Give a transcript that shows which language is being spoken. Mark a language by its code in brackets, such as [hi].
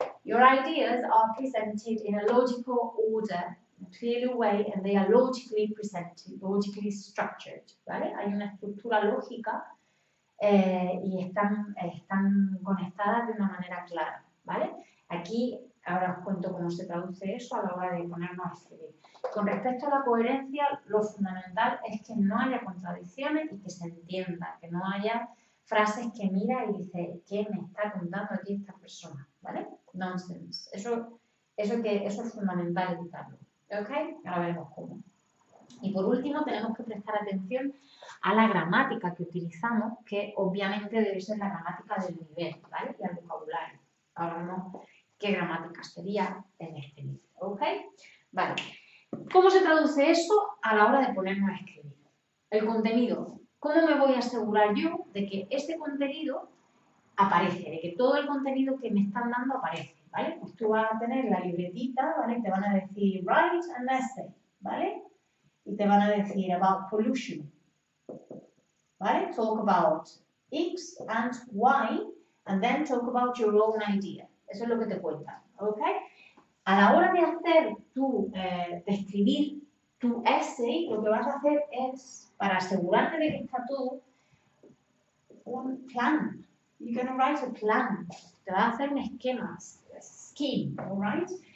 [en] Your ideas are presented in a logical order, in a clear way, and they are logically presented, logically structured, ¿vale? [es] Hay una estructura lógica y están conectadas de una manera clara, ¿vale? Aquí ahora os cuento cómo se traduce eso a la hora de ponernos a escribir. Con respecto a la coherencia, lo fundamental es que no haya contradicciones y que se entienda, que no haya frases que mira y dice, ¿qué me está contando aquí esta persona? ¿Vale? Nonsense. Eso es fundamental evitarlo. ¿Ok? Ahora veremos cómo. Y por último, tenemos que prestar atención a la gramática que utilizamos, que obviamente debe ser la gramática del nivel, ¿vale? Y al vocabulario. Ahora vemos qué gramática sería en este nivel. ¿Ok? Vale. ¿Cómo se traduce eso a la hora de ponernos a escribir? El contenido. ¿Cómo me voy a asegurar yo de que este contenido aparece, de que todo el contenido que me están dando aparece, ¿vale? Pues tú vas a tener la libretita, ¿vale? Te van a decir [en] write an essay, [es] ¿vale? Y te van a decir [en] about pollution, [es] ¿vale? [en] Talk about X and Y and then talk about your own idea. [es] Eso es lo que te cuenta, ¿ok? A la hora de hacer de escribir tu essay, lo que vas a hacer es, para asegurarte de que está todo, un plan. [en] You're going to write a plan. [es] Te vas a hacer un esquema, [en] a scheme, alright?